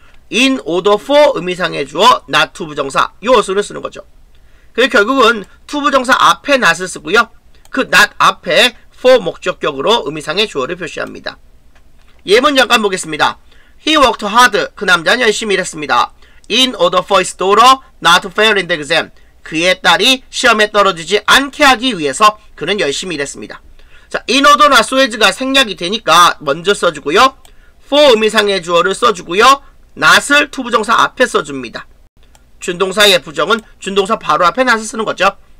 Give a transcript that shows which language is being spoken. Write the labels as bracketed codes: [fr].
[ko] In order for 의미상의 주어 not to 부정사 이 어순을 쓰는 거죠. 그래서 결국은 to 부정사 앞에 not을 쓰고요. 그 not 앞에 for 목적격으로 의미상의 주어를 표시합니다. 예문 잠깐 보겠습니다. [en] He worked hard. [ko] 그 남자는 열심히 일했습니다. [en] In order for his daughter not to fail in the exam. [ko] 그의 딸이 시험에 떨어지지 않게 하기 위해서 그는 열심히 일했습니다. 자, in order나 so as가 생략이 되니까 먼저 써주고요. for 의미상의 주어를 써주고요. not을 to 부정사 앞에 써줍니다. 준동사의 부정은 준동사 바로 앞에 not을 쓰는 거죠.